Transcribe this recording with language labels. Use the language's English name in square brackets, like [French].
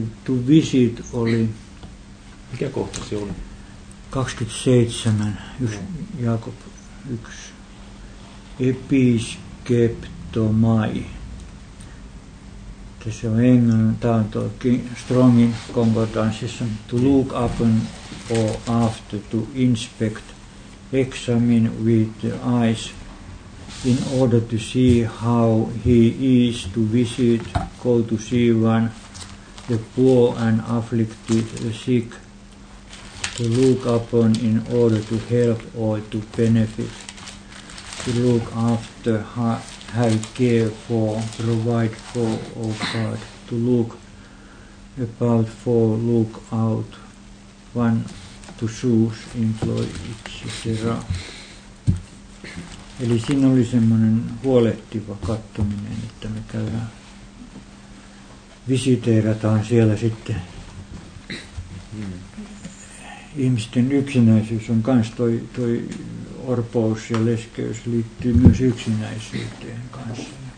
[Finnish] Tuo visit oli... Mikä kohta se oli? 27, Jaakob 1. Episkeptomai. Tässä on englannin, tämä on tuo Strongin konkordanssissa. [English] To look upon or after, to inspect, examine with the eyes, in order to see how he is, to visit, go to see one, the poor and afflicted, the sick, to look upon in order to help or to benefit, to look after have care for, provide for, O God, to look about for, look out, one to choose, employ, etc. [Finnish] Eli siinä oli semmoinen huolehtiva katsominen, että me käydään, visiteerataan siellä sitten. Ihmisten yksinäisyys on kans toi orpous ja leskeys liittyy myös yksinäisyyteen kanssa.